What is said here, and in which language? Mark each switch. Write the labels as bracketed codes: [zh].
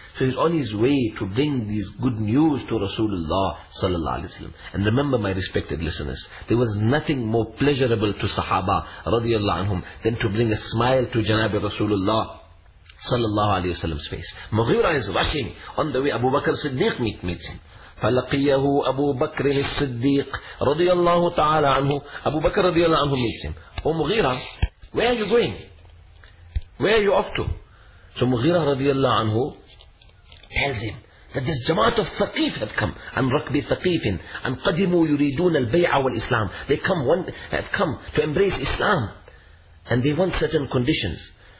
[en] So he's on his way to bring these good news to Rasulullah sallallahu alaihi wasallam. And remember, my respected listeners, there was nothing more pleasurable to Sahaba radiyallahu anhum than to bring a smile to Janab Rasulullah sallallahu alaihi wasallam's face. Mughira is rushing. On the way, Abu Bakr Siddiq meets him. [ar] فَلَقِيَهُ أَبُو بَكْرٍ الصِّدِّيقِ radiyallahu ta'ala anhu. [en] Abu Bakr radiyallahu anhu meets him. Oh Mughira, where are you going? Where are you off to? So Mughira radiyallahu anhu tells him that this jamaat of Thaqif have come. [ar] And rakbi Thaqifin. And qadimu yuridun al-bay'a wal-islam. [en] They come, have come to embrace Islam. And they want certain conditions.